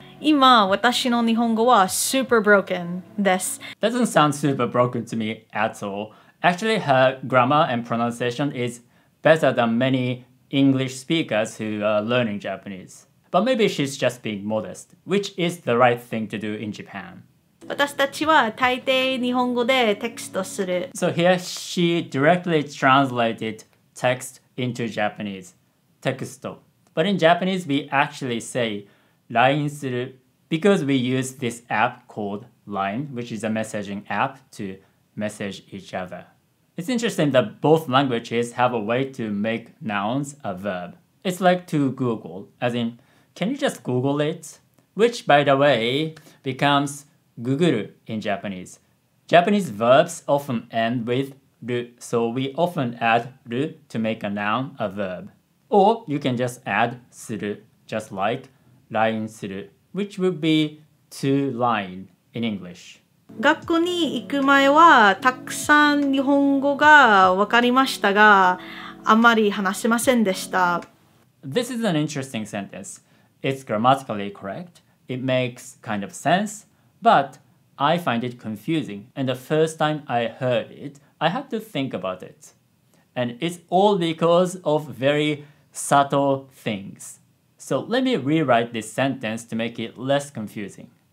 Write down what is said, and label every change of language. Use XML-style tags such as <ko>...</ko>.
<ja>今私の日本語は</ja> <en>super broken</en> <ja>です。</ja> <en>Doesn't sound super broken to me at all. Actually, her grammar and pronunciation is better than many English speakers who are learning Japanese. But maybe she's just being modest, which is the right thing to do in Japan.</en> <ja>私たちは大抵日本語でテキストする。</ja> <en>So here she directly translated text into Japanese. テキスト。 But in Japanese, we actually say,LINE する because we use this app called LINE, which is a messaging app to message each other. It's interesting that both languages have a way to make nouns a verb. It's like to Google, as in, can you just Google it? Which, by the way, becomes Google in Japanese. Japanese verbs often end with RU, so we often add RU to make a noun a verb. Or you can just add する, just like,LINE する, which would be to line in English.</en> <ja>学校に行く前はたくさん日本語がわかりましたが、あまり話しませんでした。</ja> <en>This is an interesting sentence. It's grammatically correct. It makes kind of sense, but I find it confusing. And the first time I heard it, I had to think about it. And it's all because of very subtle things. So let me rewrite this sentence to make it less confusing.</en>